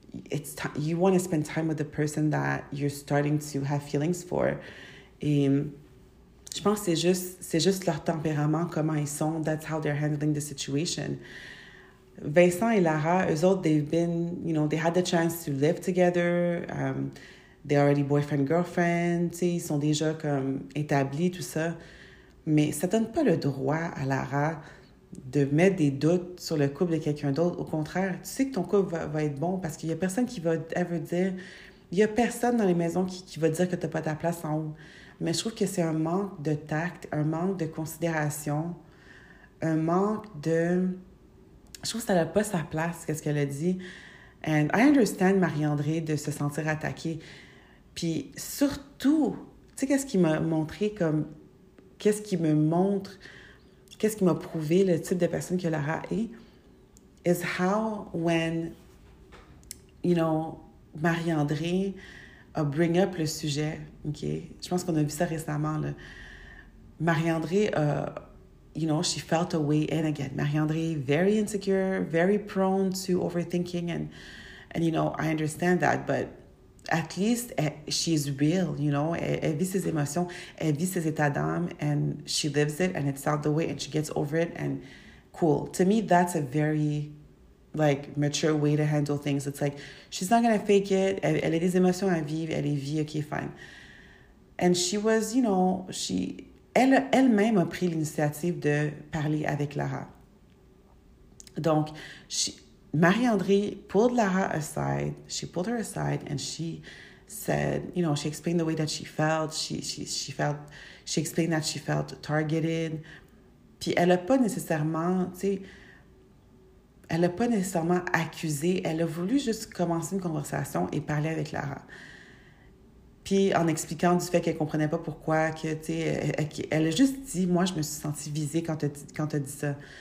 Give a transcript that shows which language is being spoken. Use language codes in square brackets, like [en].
[en] It's you want to spend time with the person that you're starting to have feelings for. [fr] Et je pense que c'est juste leur tempérament, comment ils sont, [en] that's how they're handling the situation. Vincent et Lara, [fr] eux autres, [en] they've been, you know, they had the chance to live together. They're already boyfriend, girlfriend, [fr] tu sais, ils sont déjà comme établis, tout ça. Mais ça donne pas le droit à Lara de mettre des doutes sur le couple de quelqu'un d'autre. Au contraire, tu sais que ton couple va être bon parce qu'il y a personne qui va ever dire, il y a personne dans les maisons qui va dire que t'as pas ta place en haut. Mais je trouve que c'est un manque de tact, un manque de considération, un manque de... Je trouve que ça n'a pas sa place, qu'est-ce qu'elle a dit. [en] And I understand [fr] Marie-André de se sentir attaquée. Puis surtout, tu sais, qu'est-ce qui m'a montré comme... Qu'est-ce qui me montre... Qu'est-ce qui m'a prouvé le type de personne que Lara est? [en] Is how when, you know, Marie-André a bring up [fr] le sujet, [en] OK? [fr] Je pense qu'on a vu ça récemment, là. Marie-André a... [en] You know, she felt a way in again. Marie-André, very insecure, very prone to overthinking. And you know, I understand that. But at least she is real, you know. [fr] Elle vit ses émotions. Elle vit ses états d'âme. [en] And she lives it. And it's out the way. And she gets over it. And cool. To me, that's a very, like, mature way to handle things. It's like, she's not going to fake it. [fr] Elle a des émotions à vivre. Elle les vit. [en] OK, fine. And she was, you know, she, [fr] elle, elle-même a pris l'initiative de parler avec Lara. Donc, [en] she, Marie-André pulled Lara aside. She pulled her aside and she said, you know, she explained the way that she felt. She felt, she explained that she felt targeted. [fr] Puis elle a pas nécessairement, tu sais, elle a pas nécessairement accusé. Elle a voulu juste commencer une conversation et parler avec Lara. Puis en expliquant du fait qu'elle comprenait pas pourquoi, que tu sais, elle a juste dit, moi je me suis sentie visée quand t'as dit ça.